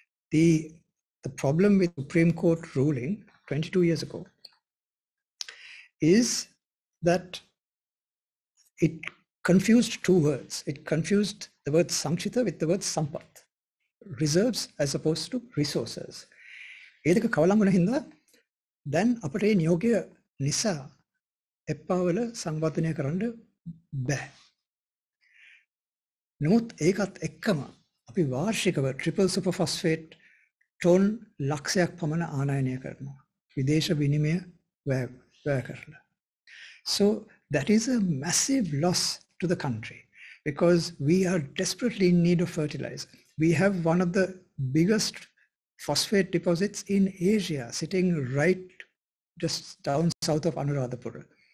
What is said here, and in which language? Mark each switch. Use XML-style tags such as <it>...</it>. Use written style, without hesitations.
<en>The problem with Supreme Court ruling 22 years ago is that it confused two words. It confused the word samchita with the word sampat, reserves as opposed to resources.</en> <si>ඒක කවලම් වුණ හින්දා දැන් අපට මේ නියෝගය නිසා එප්පා වල සංවර්ධනය කරන්න බෑ. නමුත් ඒකත් එක්කම අපි වාර්ෂිකව ට්‍රිපල් සුපර් ෆොස්ෆේට් ටොන් ලක්ෂයක් පමණ ආනයනය කරනවා. විදේශ විනිමය වැය කරලා.</si> <en>So that is a massive loss to the country because we are desperately in need of fertilizer. We have one of the biggest phosphate deposits in Asia sitting right just down south of Anuradhapura.</en>